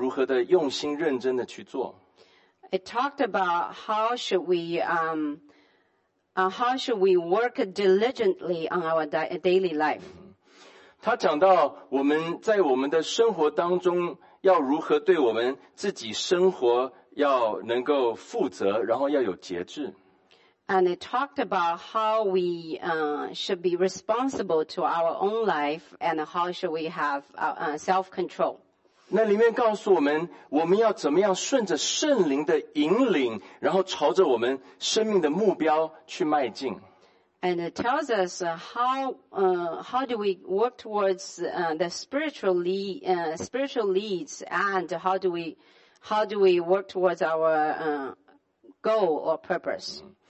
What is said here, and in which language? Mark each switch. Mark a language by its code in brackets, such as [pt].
[zh] 他讲到我们对我们生活上面事情的要如何的用心认真的去做。 [en] It talked about how should we work diligently on our daily life. [zh] 他讲到我们在我们的生活当中。要如何对我们自己生活要能够负责，然后要有节制。 [en] And it talked about how we should be responsible to our own life and how should we have self-control. [zh] 那里面告诉我们，我们要怎么样顺着圣灵的引领，然后朝着我们生命的目标去迈进。 [en] And it tells us how do we work towards the spiritual leads and how do we work towards our goal or purpose.